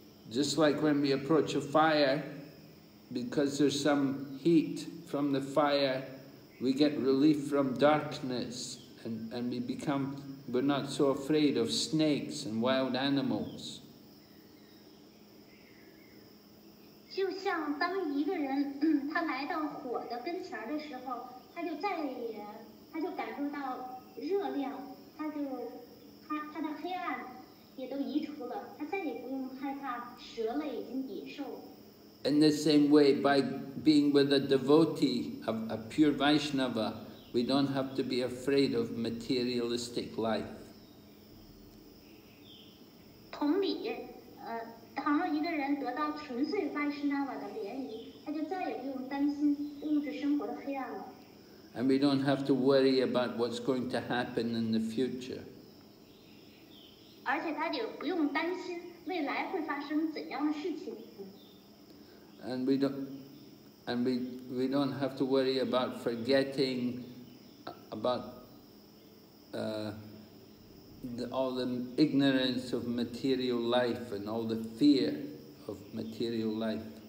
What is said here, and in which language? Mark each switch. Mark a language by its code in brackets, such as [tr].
[en] Just like when we approach a fire, because there's some heat from the fire. We get relief from darkness, and we become, we're not so afraid of snakes and wild animals. [zh] 就像当一个人他来到火的跟前的时候，他就感受到热量，他的黑暗也都移除了，他再也不用害怕蛇类以及野兽。 [en] In the same way, by being with a devotee, a pure Vaishnava, we don't have to be afraid of materialistic life. [zh] 同理，倘若一个人得到纯粹 Vaishnava 的联谊，他就再也不用担心物质生活的黑暗了。 [en] And we don't have to worry about what's going to happen in the future. [zh] 而且他也不用担心未来会发生怎样的事情。 [en] And we don't, And we don't have to worry about forgetting about all the ignorance of material life and all the fear of material life.